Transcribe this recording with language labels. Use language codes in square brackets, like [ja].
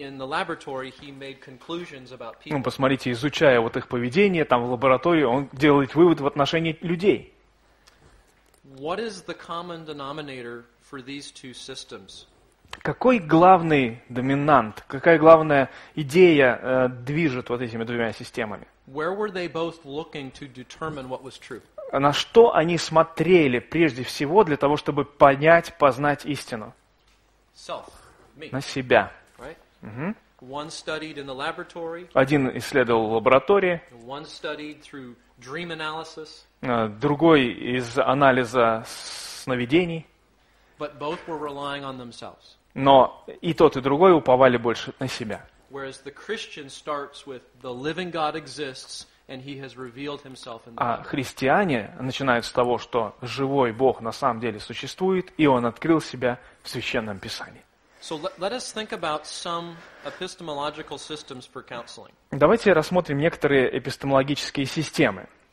[ru] Посмотрите, изучая вот их поведение там в лаборатории, он делает вывод в отношении людей. [en] What is the common denominator for these two systems? [ru] Какой главный доминант, какая главная идея движет вот этими двумя системами? [en] Where were they both looking to determine what was true? [ru] На что они смотрели прежде всего для того, чтобы понять, познать истину? [en] Self, me. [ru] На себя. [en] Right? Угу. One studied in the laboratory. [ru] Один исследовал в лаборатории. [en] One studied through dream analysis. [ru] Другой из анализа сновидений. [en] But both were relying on themselves. [ru] Но и тот, и другой уповали больше на себя. [en] Whereas the Christian starts with the living God exists and he has revealed himself in the [ru] Bible. А христиане начинают с того, что живой Бог на самом деле существует, и он открыл себя в Священном Писании. [en] So let us think about some epistemological systems for counseling. [ru] Давайте рассмотрим некоторые эпистемологические системы.